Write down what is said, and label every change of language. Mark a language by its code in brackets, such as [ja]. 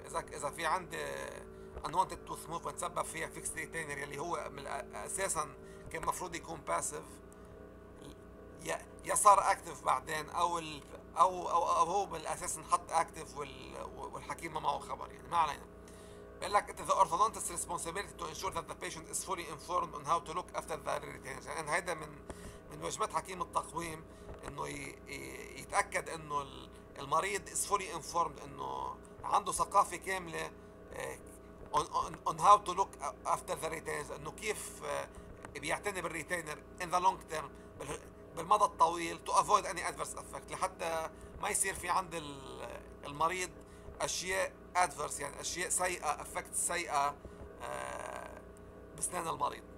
[ar] اذا في عندي انوانتد توث موفمنت سبب فيها فيكست ريتينر يلي هو اساسا كان مفروض يكون باسيف، يا صار اكتف بعدين او هو بالاساس انحط اكتف والحكيم ما معه خبر. يعني ما علينا، بقول لك [en] the orthodontist's responsibility to ensure that the patient is fully informed on how to look after the retainers. [ar] يعني هيدا من واجبات حكيم التقويم انه يتاكد انه المريض [en] is fully informed، [ar] انه عنده ثقافه كامله [en] on how to look after the retainers، [ar] انه كيف بيعتني بالريتينر [en] in the long term [ar] بالمدى الطويل [en] to avoid any adverse effect، [ar] لحتى ما يصير في عند المريض اشياء ادفرس يعني اشياء سيئه افكت سيئه بسنان المريض.